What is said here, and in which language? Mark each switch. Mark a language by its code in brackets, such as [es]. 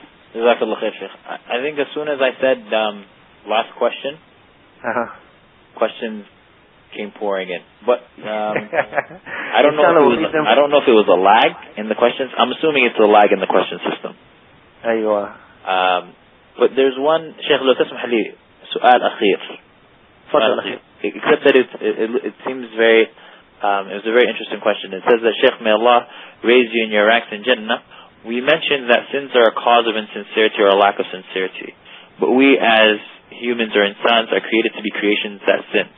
[en] JazakAllah khair, Sheikh. I think as soon as I said last question, questions came pouring in. But I don't know. I don't know if it was a lag in the questions. I'm assuming it's a lag in the question system. There you are. But there's one, Sheikh, [ar] لو تسمح لي سؤال أخير. [en] Except that it seems very, it was a very interesting question. It says that Sheikh, may Allah raise you in your ranks in Jannah. We mentioned that sins are a cause of insincerity or a lack of sincerity. But we as humans or insans are created to be creations that sin.